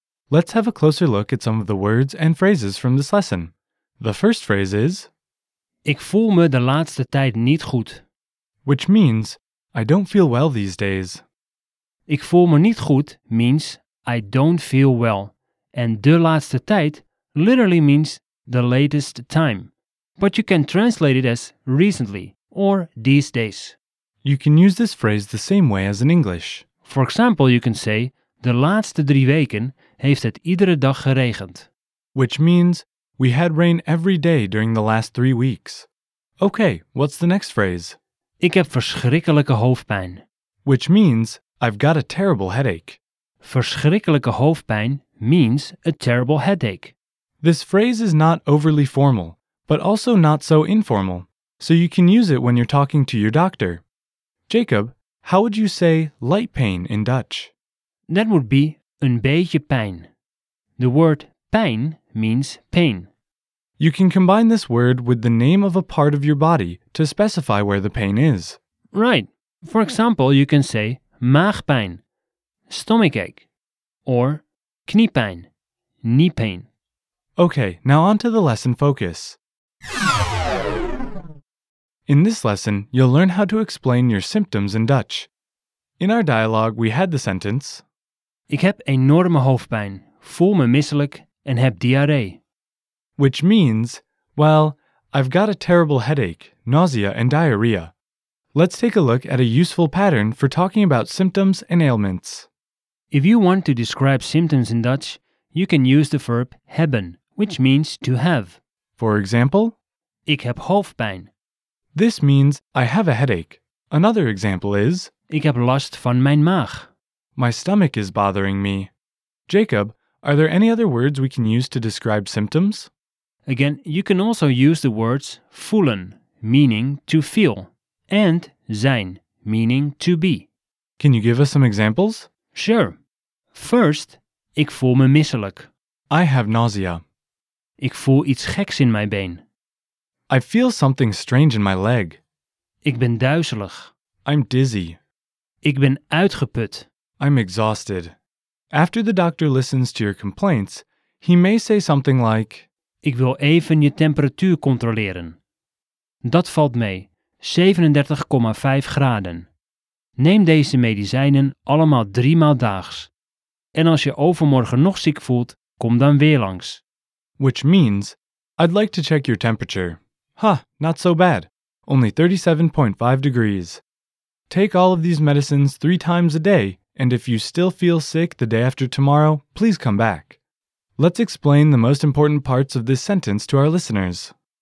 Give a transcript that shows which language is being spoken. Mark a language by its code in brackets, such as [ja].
[en] Let's have a closer look at some of the words and phrases from this lesson. The first phrase is, [nl] Ik voel me de laatste tijd niet goed. [en] Which means, I don't feel well these days. [nl] Ik voel me niet goed [en] means, I don't feel well. And [nl] de laatste tijd [en] literally means the latest time. But you can translate it as recently or these days. You can use this phrase the same way as in English. For example, you can say, [nl] De laatste drie weken heeft het iedere dag geregend. [en] Which means, we had rain every day during the last 3 weeks. Okay, what's the next phrase? [nl] Ik heb verschrikkelijke hoofdpijn. [en] Which means, I've got a terrible headache. [nl] Verschrikkelijke hoofdpijn [en] means a terrible headache. This phrase is not overly formal, but also not so informal, so you can use it when you're talking to your doctor. Jacob, how would you say light pain in Dutch? That would be [nl] een beetje pijn. [en] The word pijn means pain. You can combine this word with the name of a part of your body to specify where the pain is. Right. For example, you can say maagpijn, stomachache, or kniepijn, knee pain. Okay, now on to the lesson focus. In this lesson, you'll learn how to explain your symptoms in Dutch. In our dialogue, we had the sentence, [nl] Ik heb enorme hoofdpijn, voel me misselijk en heb diarree. [en] Which means, well, I've got a terrible headache, nausea and diarrhea. Let's take a look at a useful pattern for talking about symptoms and ailments. If you want to describe symptoms in Dutch, you can use the verb hebben, which means to have. For example, [nl] Ik heb hoofdpijn. [en] This means I have a headache. Another example is, [nl] Ik heb last van mijn maag. [en] My stomach is bothering me. Jacob, are there any other words we can use to describe symptoms? Again, you can also use the words voelen, meaning to feel, and zijn, meaning to be. Can you give us some examples? Sure. First, [nl] ik voel me misselijk. [en] I have nausea. [nl] Ik voel iets geks in mijn been. [en] I feel something strange in my leg. [nl] Ik ben duizelig. [en] I'm dizzy. [nl] Ik ben uitgeput. [en] I'm exhausted. After the doctor listens to your complaints, he may say something like, [nl] Ik wil even je temperatuur controleren. Dat valt mee, 37,5 graden. Neem deze medicijnen allemaal 3 maal daags. En als je overmorgen nog ziek voelt, kom dan weer langs. [en] Which means, I'd like to check your temperature. Huh, not so bad. Only 37.5 degrees. Take all of these medicines 3 times a day, and if you still feel sick the day after tomorrow, please come back. Let's explain the most important parts of this sentence to our listeners.